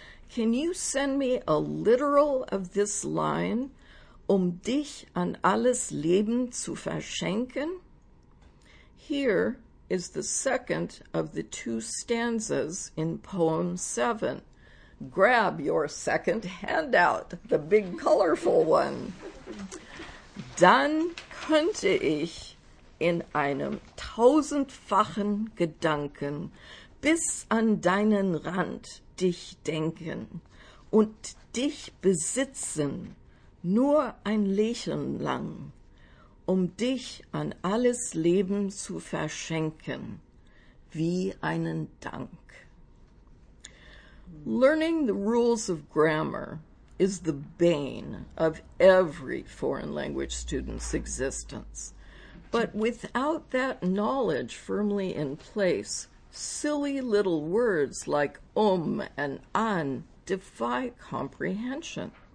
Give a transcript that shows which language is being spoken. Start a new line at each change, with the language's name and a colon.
English: Can you send me a literal of this line,
German: dich an alles Leben zu verschenken?"
English: Here is the second of the two stanzas in poem 7. Grab your second handout, the big colorful one.
German: Dann könnte ich in einem tausendfachen Gedanken bis an deinen Rand dich denken und dich besitzen, nur ein Lächeln lang, dich an alles Leben zu verschenken, wie einen Dank.
English: Learning the rules of grammar is the bane of every foreign language student's existence. But without that knowledge firmly in place, silly little words like and an defy comprehension.